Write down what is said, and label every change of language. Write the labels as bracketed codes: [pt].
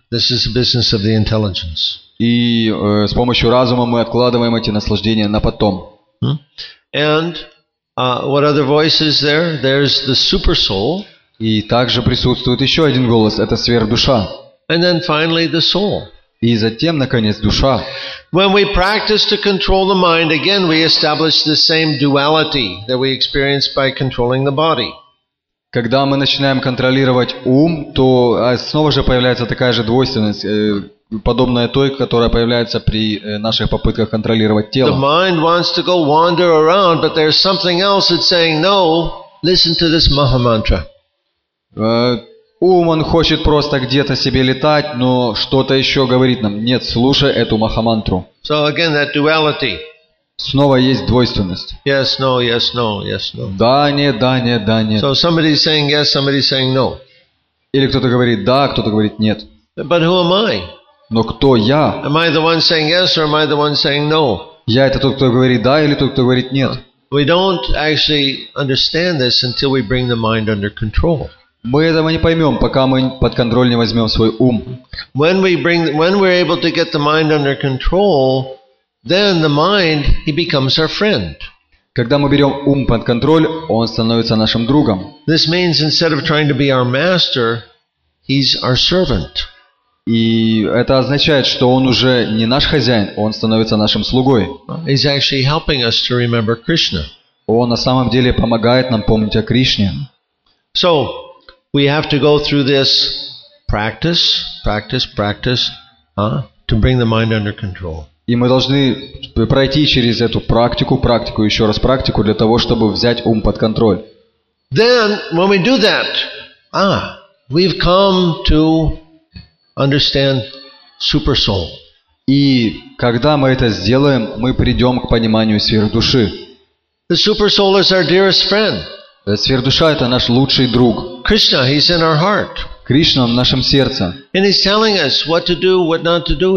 [en] This is the business of the intelligence. [ru] И с помощью разума мы откладываем эти наслаждения на потом. [en] And what other voice is there? There's the super soul. [ru] И также присутствует еще один голос. Это сверхдуша. [en] And then finally the soul. [ru] И затем, наконец, душа. [en] When we practice to control the mind, again we establish the same duality that we experience by controlling the body. [ru] Когда мы начинаем контролировать ум, то снова же появляется такая же двойственность, подобная той, которая появляется при наших попытках контролировать тело. [en] The mind wants to go wander around, but there's something else that's saying, no, listen to this maha mantra. [ru] Ум, он хочет просто где-то себе летать, но что-то еще говорит нам, нет, слушай эту маха мантру. [en] So again, that duality. [ru] Снова есть двойственность. [en] Yes, no, yes, no, yes, no. [ru] Да, нет, да, нет, да, нет. [en] So somebody's saying yes, somebody's saying no. [ru] Или кто-то говорит да, кто-то говорит нет. [en] But who am I? [ru] Но кто я? [en] Am I the one saying yes or am I the one saying no? [ru] Я это тот, кто говорит да, или тот, кто говорит нет? [en] We don't actually understand this until we bring the mind under control. [ru] Мы этого не поймем, пока мы под контроль не возьмем свой ум. [en] When we're able to get the mind under control, then the mind, he becomes our friend. [ru] Когда мы берем ум под контроль, он становится нашим другом. [en] This means instead of trying to be our master, he's our servant. [ru] И это означает, что он уже не наш хозяин, он становится нашим слугой. [en] He's actually helping us to remember Krishna. [ru] Он на самом деле помогает нам помнить о Кришне. [en] So, we have to go through this practice, practice, practice, to bring the mind under control. [ru] И мы должны пройти через эту практику, практику, еще раз практику, для того, чтобы взять ум под контроль. [en] Then, when we do that, we've come to understand super soul. [ru] И когда мы это сделаем, мы придем к пониманию сверхдуши. [en] The super soul is our dearest friend. [ru] Сверхдуша — это наш лучший друг. [en] Krishna, he's in our heart. [ru] Кришна в нашем сердце. [en] And he's telling us what to do, what not to do.